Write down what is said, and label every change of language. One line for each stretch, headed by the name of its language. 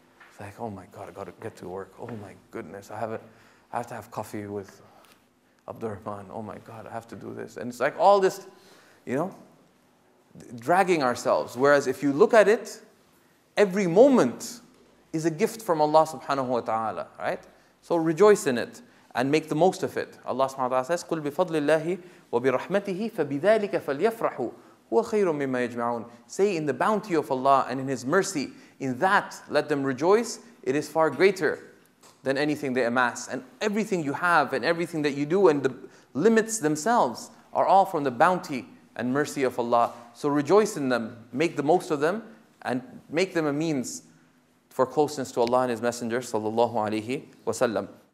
English: It's like, oh my God, I gotta get to work. Oh my goodness, I have to have coffee with Abdurrahman. Oh my God, I have to do this. And it's like all this, you know, dragging ourselves. Whereas if you look at it, every moment is a gift from Allah subhanahu wa ta'ala, right? So rejoice in it and make the most of it. Allah subhanahu wa ta'ala says,
Arabic: قُلْ بِفَضْلِ اللَّهِ وَبِرَحْمَتِهِ فَبِذَلِكَ فَلْيَفْرَحُ هُوَ خَيْرٌ مِمَّا يَجْمَعُونَ.
English: Say, in the bounty of Allah and in His mercy, in that let them rejoice. It is far greater than anything they amass. And everything you have and everything that you do and the limits themselves are all from the bounty and mercy of Allah. So rejoice in them, make the most of them, and make them a means for closeness to Allah and His Messenger, sallallahu alayhi wa sallam.